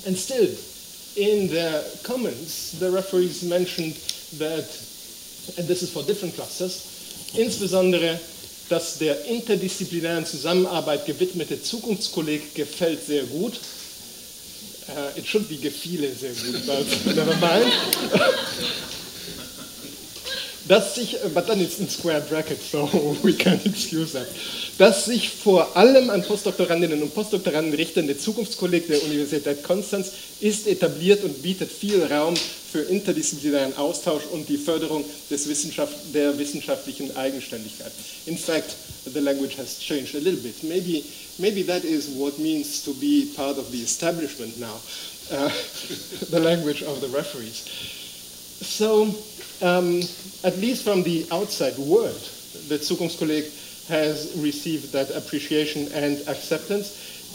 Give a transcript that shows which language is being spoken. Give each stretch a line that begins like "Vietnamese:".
English: And still, in their comments, the referees mentioned that, and this is for different clusters,
German: insbesondere, dass der interdisziplinären Zusammenarbeit gewidmete Zukunftskolleg gefällt sehr gut.
English: It should be
German: gefiele sehr gut,
English: but never mind.
German: Dass sich,
English: but then it's in square brackets, so we can't excuse that.
German: Dass sich vor allem an Postdoktorandinnen und Postdoktoranden richtende Zukunftskolleg der Universität Konstanz ist etabliert und bietet viel Raum für interdisziplinären Austausch und die Förderung des der wissenschaftlichen Eigenständigkeit.
English: In fact, the language has changed a little bit. Maybe that is what means to be part of the establishment now, the language of the referees. So, at least from the outside world, the Zukunftskolleg has received that appreciation and acceptance.